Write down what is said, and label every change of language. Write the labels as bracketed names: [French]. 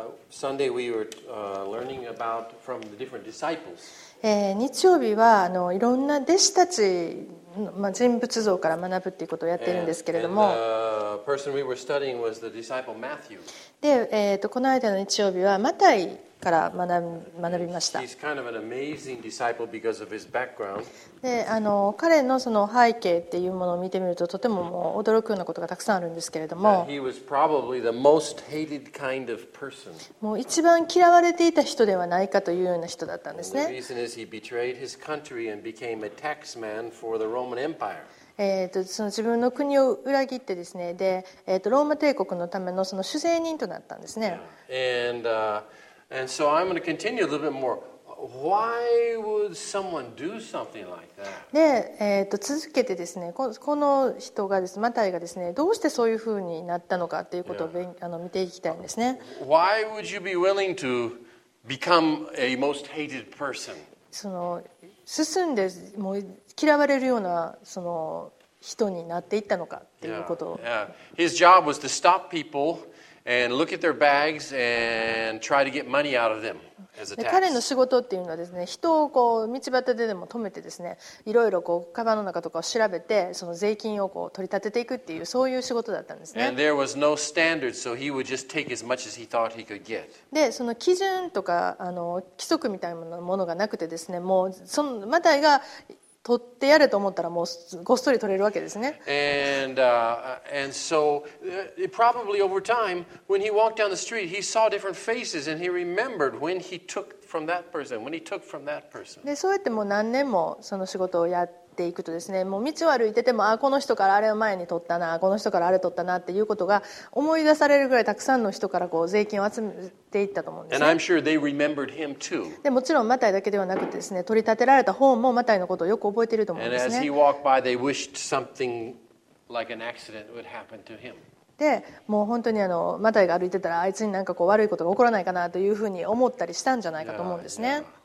[English] Sunday we were learning about from the different disciples. [Japanese] 日曜日はいろんな弟子たち、人物像から学ぶっていうことをやっているんですけれども。 [English] And the person we were studying was the disciple Matthew. [Japanese] で、この間の日曜日はマタイから学びました。 [English] He's kind of an amazing disciple because of his background. [Japanese] で、彼のその背景っていうものを見てみるととても、もう驚くようなことがたくさんあるんですけれども。 [English] He was probably the most hated kind of person. [Japanese] もう一番嫌われていた人ではないかというような人だったんですね。 [English] And the reason is he betrayed his country and became a tax man for the Roman Empire. [Japanese] その自分の国を裏切ってですね、で、ローマ帝国のため の, その主税人となったんですね。 [English] And so I'm going to continue a little bit more. Why would someone do something like that? [Japanese] で、続けてですね、この人がですね、マタイがですね、どうしてそういうふうになったのかということを見ていきたいんですね。 [English] Why would you be willing to become a most hated person? [Japanese] その進んでもう嫌われるようなその人になっていったのかっていうことを。 [English] Yeah. Yeah. His job was to stop people. And look at their bags and try to get money out of them as a tax. [Japanese] 彼の仕事っていうのはですね、人をこう道端ででも止めてですね、いろいろこうカバンの中とかを調べて、その税金をこう取り立てていくっていうそういう仕事だったんですね。 [English] And there was no standard, so he would just take as much as he thought he could get. [Japanese] で、その基準とか規則みたいなものがなくてですね、もうそのマタイが取ってやると思ったらもうごっそり取れるわけですね。 [English] And so probably over time when he walked down the street he saw different faces and he remembered when he took from that person when he took from that person。 [Japanese] でそうやってもう何年もその仕事をやっていくとですね、もう道を歩いててもあこの人からあれを前に取ったな、この人からあれ取ったなっていうことが思い出されるぐらいたくさんの人からこう税金を集めていったと思うんですね。 [English] And I'm sure they remembered him too. [Japanese] でもちろんマタイだけではなくてですね、取り立てられた方もマタイのことをよく覚えていると思うんですね。 [English] And as he walked by, they wished something like an accident would happen to him. [Japanese] でもう本当にマタイが歩いてたらあいつになんかこう悪いことが起こらないかなというふうに思ったりしたんじゃないかと思うんですね。